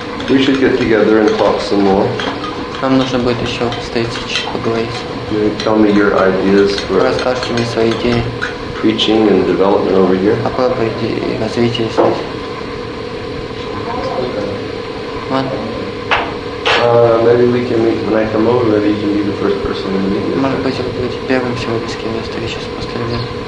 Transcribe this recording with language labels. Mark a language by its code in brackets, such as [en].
[en] We should get together and talk some more. [ru] Нам нужно будет еще встретиться, поговорить. [en] You tell me your ideas for. [ru] Расскажите мне свои идеи. [en] Preaching and development over here. [ru] А как бы развитие здесь? [en] Maybe we can meet when I come over. Maybe you can be the first person to meet me. [ru] Может быть, вы будете первым сегодня, с кем я встречусь после меня.